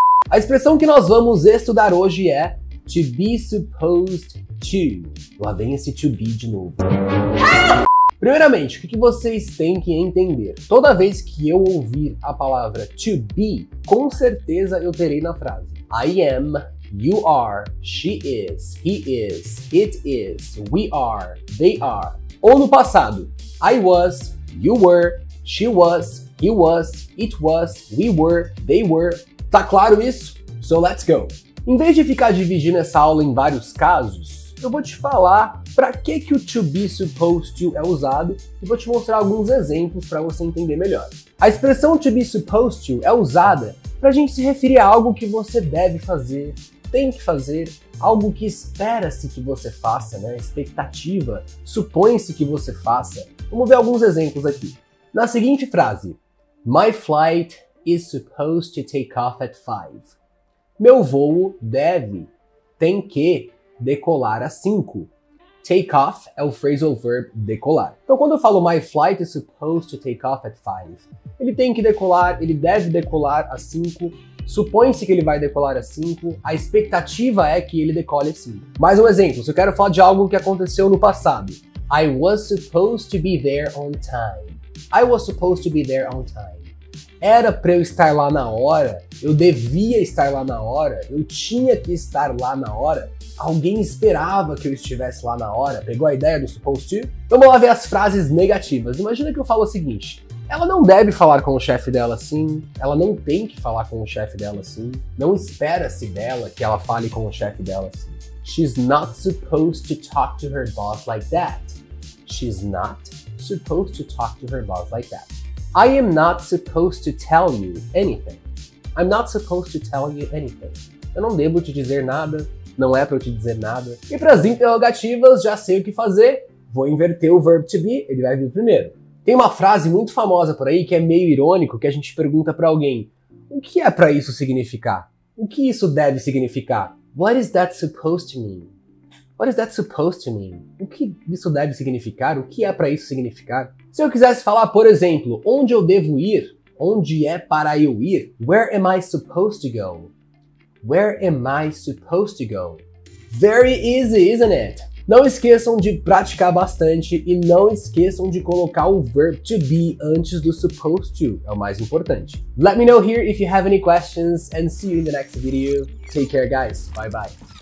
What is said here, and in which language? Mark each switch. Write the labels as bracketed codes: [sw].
[pt] A expressão que nós vamos estudar hoje é to be supposed to. Lá vem esse to be de novo. Primeiramente, o que vocês têm que entender? Toda vez que eu ouvir a palavra to be, com certeza eu terei na frase I am. [en] You are, she is, he is, it is, we are, they are. [pt] Ou no passado, [en] I was, you were, she was, he was, it was, we were, they were. [pt] Tá claro isso? [en] So let's go! [pt] Em vez de ficar dividindo essa aula em vários casos, eu vou te falar pra que o to be supposed to é usado e vou te mostrar alguns exemplos para você entender melhor. A expressão to be supposed to é usada pra gente se referir a algo que você deve fazer, tem que fazer, algo que espera-se que você faça, né? Expectativa, supõe-se que você faça. Vamos ver alguns exemplos aqui. Na seguinte frase, [en] my flight is supposed to take off at 5. [pt] Meu voo deve, tem que, decolar às 5. Take off é o phrasal verb decolar. Então quando eu falo [en] my flight is supposed to take off at 5, [pt] ele tem que decolar, ele deve decolar às 5. Supõe-se que ele vai decolar às 5, a expectativa é que ele decole às 5. Mais um exemplo, se eu quero falar de algo que aconteceu no passado. [en] I was supposed to be there on time. I was supposed to be there on time. [pt] Era pra eu estar lá na hora? Eu devia estar lá na hora? Eu tinha que estar lá na hora? Alguém esperava que eu estivesse lá na hora? Pegou a ideia do supposed to? Vamos lá ver as frases negativas. Imagina que eu falo o seguinte. Ela não deve falar com o chefe dela assim, ela não tem que falar com o chefe dela assim, não espera-se dela que ela fale com o chefe dela assim. [en] She's not supposed to talk to her boss like that. She's not supposed to talk to her boss like that. I am not supposed to tell you anything. I'm not supposed to tell you anything. [pt] Eu não devo te dizer nada, não é pra eu te dizer nada. E pras interrogativas, já sei o que fazer. Vou inverter o verbo to be, ele vai vir primeiro. Tem uma frase muito famosa por aí que é meio irônico, que a gente pergunta pra alguém, o que é pra isso significar? O que isso deve significar? [en] What is that supposed to mean? What is that supposed to mean? [pt] O que isso deve significar? O que é pra isso significar? Se eu quisesse falar, por exemplo, onde eu devo ir? Onde é para eu ir? [en] Where am I supposed to go? Where am I supposed to go? Very easy, isn't it? [pt] Não esqueçam de praticar bastante e não esqueçam de colocar o verb to be antes do supposed to, é o mais importante. [en] Let me know here if you have any questions and see you in the next video. Take care, guys. Bye bye.